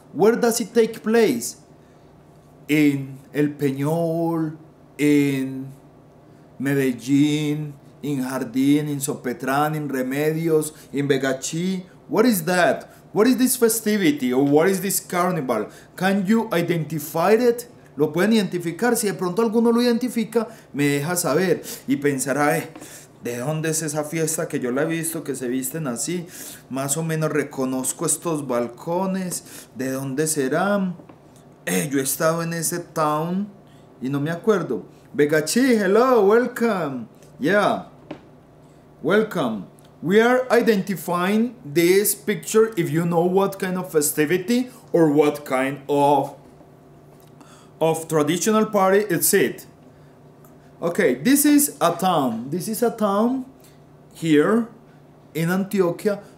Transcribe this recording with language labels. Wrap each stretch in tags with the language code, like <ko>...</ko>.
<en>Where does it take place? In El Peñol, in Medellin, in Jardín, in Sopetran, in Remedios, in Begachi. What is that? What is this festivity or what is this carnival? Can you identify it?</en> <es>Lo pueden identificar. Si de pronto alguno lo identifica, me deja saber y pensará, ¿de dónde es esa fiesta que yo la he visto, que se visten así? Más o menos reconozco estos balcones. ¿De dónde serán? Yo he estado en ese town y no me acuerdo.</es> <en>Begachi, hello, welcome. Yeah, welcome. We are identifying this picture if you know what kind of festivity or what kind of traditional party it's it. Okay, this is a town. This is a town here in Antioquia.</en>